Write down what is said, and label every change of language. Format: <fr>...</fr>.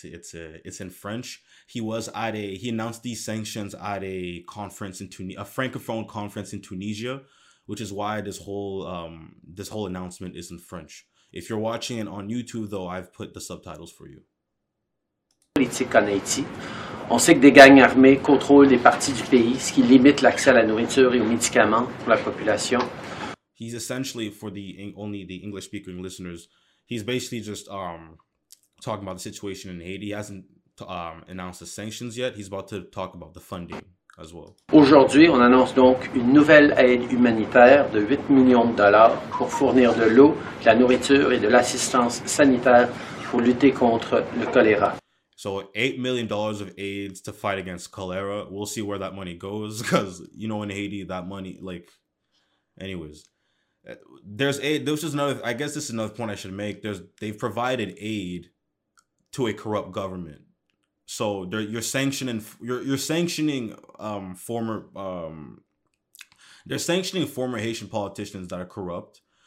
<en>It's in French. He announced these sanctions at a conference in Tunisia, a Francophone conference in Tunisia, which is why this whole announcement is in French. If you're watching it on YouTube, though, I've put the subtitles for you.</en> <fr>Politique en Haïti. On sait que des gangs armés contrôlent des parties du pays, ce qui limite l'accès à la nourriture et aux médicaments pour la population.</fr> <en>He's essentially, for the only the English-speaking listeners, he's basically just talking about the situation in Haiti. He hasn't announce the sanctions yet. He's about to talk about the funding as well.</en> <fr>Aujourd'hui, on annonce donc une nouvelle aide humanitaire de 8 millions de dollars pour fournir de l'eau, de la nourriture et de l'assistance sanitaire pour lutter contre le choléra.</fr> <en>So $8 million of aids to fight against cholera. We'll see where that money goes, because, you know, in Haiti, that money, like, anyways. There's aid. This is another, I guess this is another point I should make. They've provided aid to a corrupt government. So you're sanctioning former Haitian politicians that are corrupt.</en>